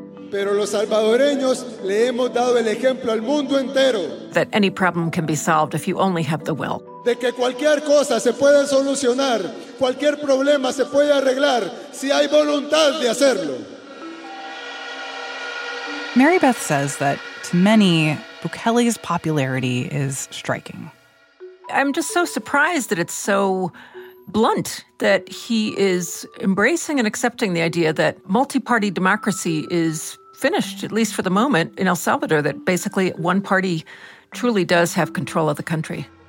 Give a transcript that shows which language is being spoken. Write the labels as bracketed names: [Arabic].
[Spanish] Pero los salvadoreños le hemos dado el ejemplo al mundo entero. [English] That any problem can be solved if you only have the will. [Spanish] De que cualquier cosa se puede solucionar, cualquier problema se puede arreglar si hay voluntad de hacerlo. [English] Mary Beth says that to many, Bukele's popularity is striking. I'm just so surprised that it's so blunt, that he is embracing and accepting the idea that multi-party democracy is finished, at least for the moment, in El Salvador, that basically one party truly does have control of the country.